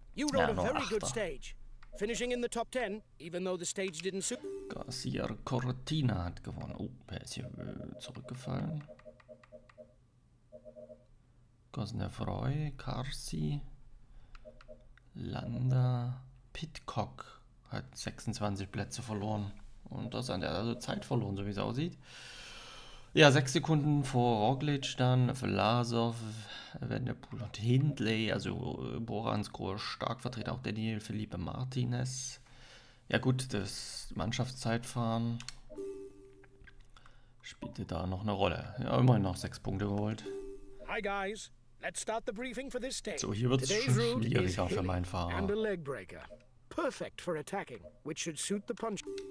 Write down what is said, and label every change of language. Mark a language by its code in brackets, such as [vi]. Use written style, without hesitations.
[en] You rode a very good stage. Finishing in the top 10, even though the stage didn't suit. [de] Garcia Cortina hat gewonnen. Oh, wer ist hier zurückgefallen? Gosnefroy, Carsi, Landa, Pidcock hat 26 Plätze verloren. Und das hat er also Zeit verloren, so wie es aussieht. Ja, 6 Sekunden vor Roglic, dann Vlasov, Vanderpool und Hindley, also Boranskoe stark vertreten, auch Daniel Felipe Martinez. Ja gut, das Mannschaftszeitfahren spielte da noch eine Rolle. Ja, immerhin noch 6 Punkte geholt. [en] Hi guys, let's start the briefing for this day. [de] So, hier wird es schwieriger für meinen Fahrer. [en] And a leg breaker. Perfect for attacking, which should suit the punch.